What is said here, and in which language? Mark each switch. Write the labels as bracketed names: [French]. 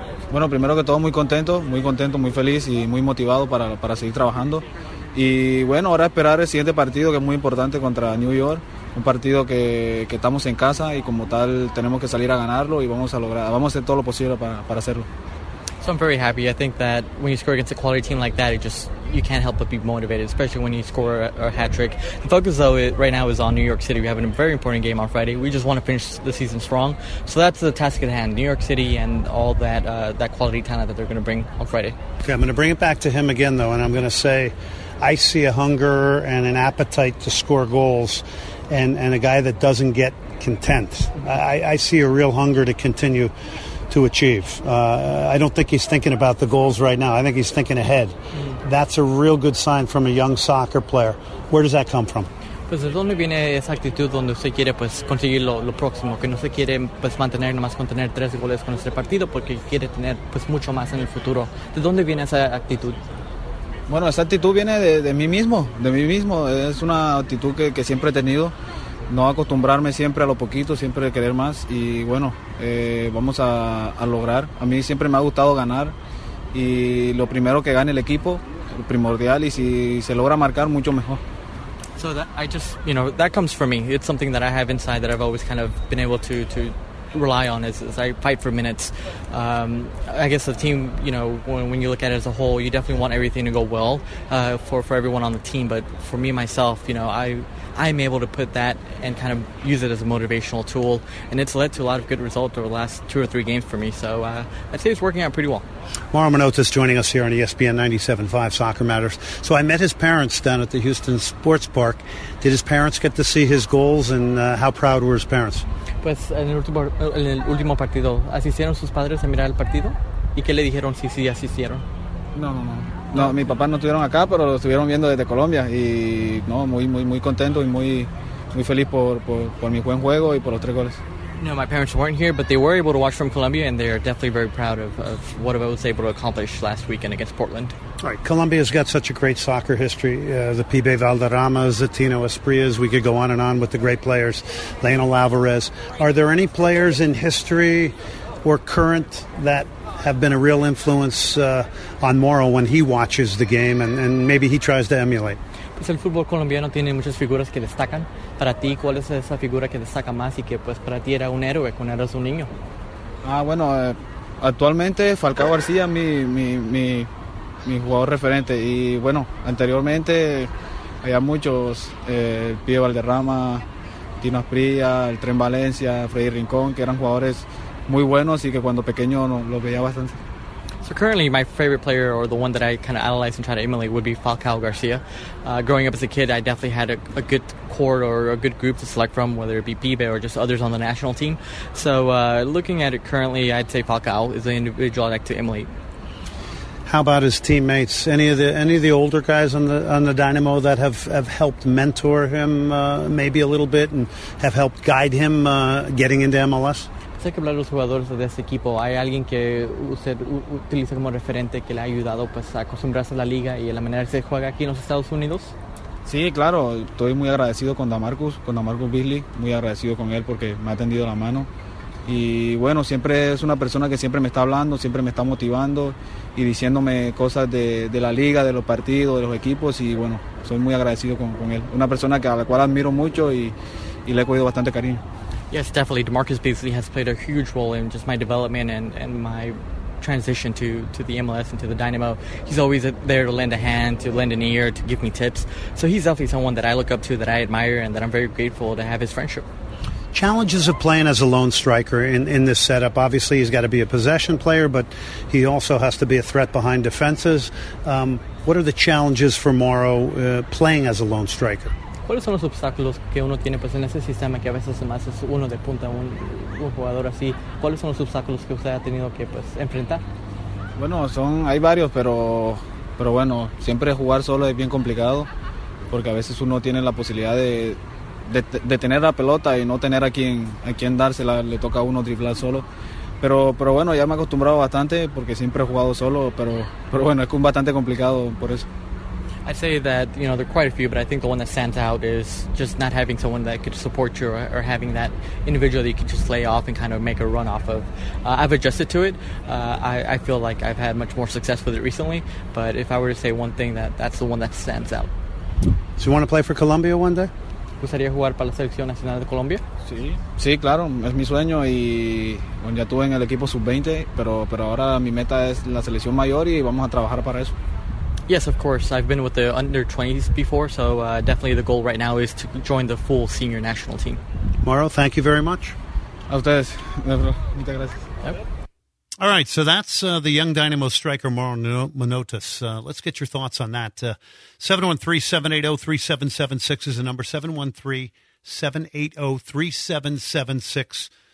[Spanish] Bueno, primero que todo, muy contento, muy feliz y muy motivado para seguir trabajando. Y bueno, ahora esperar el siguiente partido, que es muy importante, contra New York. Un partido que estamos en casa y como tal tenemos que salir a ganarlo y vamos a hacer todo lo posible para hacerlo. [English] So I'm very happy. I think that when you score against a quality team like that, you can't help but be motivated, especially when you score a hat-trick. The focus, though, right now is on New York City. We have a very important game on Friday. We just want to finish the season strong. So that's the task at hand, New York City and all that that quality talent that they're going to bring on Friday. Okay, I'm going to bring it back to him again, though, and I'm going to say I see a hunger and an appetite to score goals and a guy that doesn't get content. I see a real hunger to continue to achieve. I don't think he's thinking about the goals right now. I think he's thinking ahead. That's a real good sign from a young soccer player. Where does that come from? [Spanish] Pues de dónde viene esa actitud donde usted quiere pues conseguir lo próximo, que no se quiere pues mantener nomás con tener tres goles con este partido porque quiere tener pues mucho más en el futuro. ¿De dónde viene esa actitud? Bueno, esa actitud viene de mí mismo. Es una actitud que siempre he tenido. No acostumbrarme siempre a lo poquito, siempre querer más. Y bueno, vamos a lograr. A mí siempre me ha gustado ganar. Y lo primero que gane el equipo, lo primordial. Y si se logra marcar, mucho mejor. [English] So that, I just, you know, that comes from me. It's something that I have inside that I've always kind of been able to rely on as I fight for minutes. I guess the team, you know, when you look at it as a whole, you definitely want everything to go well for everyone on the team. But for me, myself, you know, I'm able to put that and kind of use it as a motivational tool. And it's led to a lot of good results over the last two or three games for me. So I'd say it's working out pretty well. Mauro Minotas joining us here on ESPN 97.5 Soccer Matters. So I met his parents down at the Houston Sports Park. Did his parents get to see his goals and how proud were his parents? [Spanish] Pues en el último partido, ¿asistieron sus padres a mirar el partido? ¿Y qué le dijeron si asistieron? No. Mi papá no estuvieron acá, pero lo estuvieron viendo desde Colombia. Y no, muy contento y muy feliz por mi buen juego y por los tres goles. [English] No, my parents weren't here, but they were able to watch from Colombia, and they are definitely very proud of what I was able to accomplish last weekend against Portland. All right, Colombia's got such a great soccer history. The Pibe Valderrama, Zatino Esprias, we could go on and on with the great players. Lionel Alvarez. Are there any players in history or current that have been a real influence on Mauro when he watches the game and maybe he tries to emulate? [Spanish] Pues el fútbol colombiano tiene muchas figuras que destacan. Para ti, ¿cuál es esa figura que destaca más y que pues para ti era un héroe cuando eras un niño? Bueno, actualmente Falcao García, mi jugador referente. Y bueno, anteriormente había muchos, el Pibe Valderrama, Tino Asprilla, el Tren Valencia, Freddy Rincón, que eran jugadores muy buenos y que cuando pequeño los veía bastante. [English] So currently, my favorite player, or the one that I kind of idolize and try to emulate, would be Falcao García. Growing up as a kid, I definitely had a good core or a good group to select from, whether it be Pibe or just others on the national team. So looking at it currently, I'd say Falcao is the individual I'd like to emulate. How about his teammates? Any of the older guys on the Dynamo that have helped mentor him maybe a little bit and have helped guide him getting into MLS? [Spanish] Sé que hablar de los jugadores de este equipo. ¿Hay alguien que usted utiliza como referente que le ha ayudado pues, a acostumbrarse a la liga y a la manera que se juega aquí en los Estados Unidos? Sí, claro. Estoy muy agradecido con Damarcus Beasley. Muy agradecido con él porque me ha tendido la mano. Y bueno, siempre es una persona que siempre me está hablando, siempre me está motivando y diciéndome cosas de la liga, de los partidos, de los equipos. Y bueno, soy muy agradecido con él. Una persona a la cual admiro mucho y le he cogido bastante cariño. [English] Yes, definitely. DeMarcus Beasley has played a huge role in just my development and my transition to the MLS and to the Dynamo. He's always there to lend a hand, to lend an ear, to give me tips. So he's definitely someone that I look up to, that I admire, and that I'm very grateful to have his friendship. challenges of playing as a lone striker in this setup. Obviously, he's got to be a possession player, but he also has to be a threat behind defenses. What are the challenges for Mauro playing as a lone striker? [Spanish] ¿Cuáles son los obstáculos que uno tiene pues en ese sistema que a veces más es uno de punta, un jugador así? ¿Cuáles son los obstáculos que usted ha tenido que pues enfrentar? Bueno, hay varios, pero bueno, siempre jugar solo es bien complicado porque a veces uno tiene la posibilidad de tener la pelota y no tener a quien dársela, le toca a uno driblar solo. Pero bueno, ya me he acostumbrado bastante porque siempre he jugado solo, pero bueno, es bastante complicado por eso. [English] I'd say that, you know, there are quite a few, but I think the one that stands out is just not having someone that could support you or having that individual that you could just lay off and kind of make a run off of. I've adjusted to it. I feel like I've had much more success with it recently, but if I were to say one thing, that's the one that stands out. So you want to play for Colombia one day? [Spanish] ¿Gustaría jugar para la Selección Nacional de Colombia? Sí, claro, es mi sueño y bueno, ya estuve en el equipo sub-20, pero ahora mi meta es la Selección Mayor y vamos a trabajar para eso. [English] Yes, of course. I've been with the under-20s before, so definitely the goal right now is to join the full senior national team. Mauro, thank you very much. [Spanish] A ustedes. Muchas gracias. Yep. [English] All right, so that's the young Dynamo striker, Mauro Minotas. Let's get your thoughts on that. 713-780-3776 is the number, 713-780-3776.